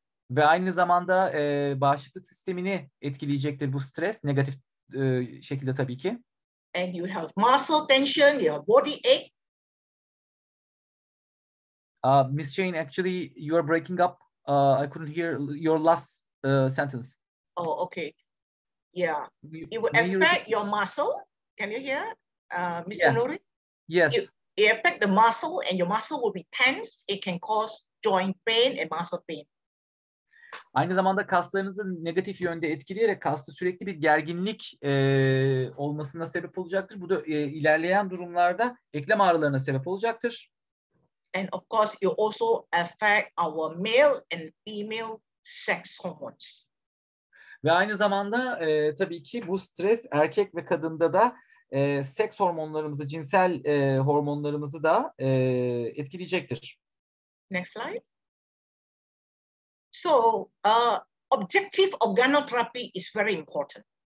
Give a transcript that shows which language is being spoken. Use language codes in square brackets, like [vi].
[tr] Ve aynı zamanda bağışıklık sistemini etkileyecektir bu stres negatif şekilde tabii ki. [en] And you have muscle tension, your body ache. Miss Jane, actually you are breaking up. I couldn't hear your last sentence. Oh, okay. Yeah. May It will you repeat? affect your muscle. Can you hear, Mr. Yeah. Nuri? Yes. It affects the muscle and your muscle will be tense. It can cause joint pain and muscle pain. [tr] Aynı zamanda kaslarınızı negatif yönde etkileyerek kasta sürekli bir gerginlik olmasına sebep olacaktır. Bu da ilerleyen durumlarda eklem ağrılarına sebep olacaktır. [en] And of course, it also affects our male and female sex hormones. [tr] Ve aynı zamanda tabii ki bu stres erkek ve kadında da seks hormonlarımızı, cinsel hormonlarımızı da etkileyecektir. [en] Next slide. So, objective organotherapy is very important.